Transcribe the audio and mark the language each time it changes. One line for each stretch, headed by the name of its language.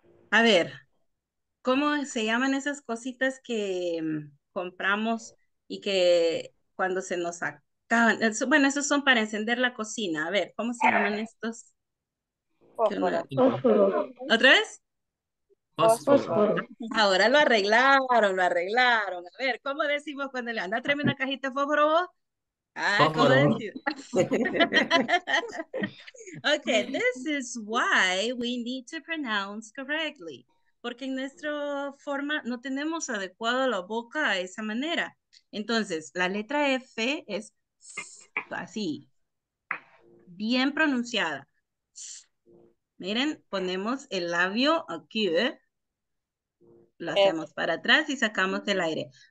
Spanish: A ver. ¿Cómo se llaman esas cositas que compramos y que cuando se nos acaban? Eso, bueno, esos son para encender la cocina. A ver, ¿cómo se llaman estos? Fósforo. ¿Otra vez? Fósforo. Ahora lo arreglaron, lo arreglaron. A ver, ¿cómo decimos cuando le anda a traerme una cajita de fósforo vos? Ah, ¿cómo decimos?
English: Okay, this is why we need to pronounce correctly.
Spanish: Porque en nuestra forma no tenemos adecuado la boca a esa manera. Entonces, la letra F es así, bien pronunciada. Miren, ponemos el labio aquí, lo hacemos para atrás y sacamos el aire.